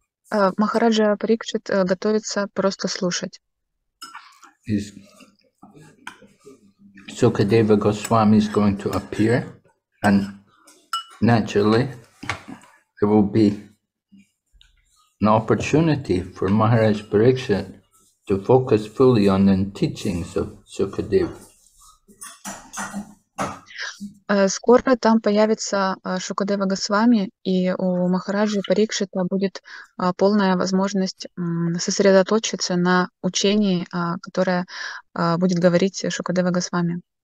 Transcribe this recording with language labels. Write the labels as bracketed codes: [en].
[ru] Махараджа Парикшит готовится просто слушать. [en] Sukadeva Goswami is going to appear, and naturally, there will be an opportunity for Maharaj Parikshit to focus fully on the teachings of Sukadeva. [ru] Скоро там появится Шукадева Госвами, и у Махараджи Парикшита будет полная возможность сосредоточиться на учении, которое будет говорить Шукадева Госвами.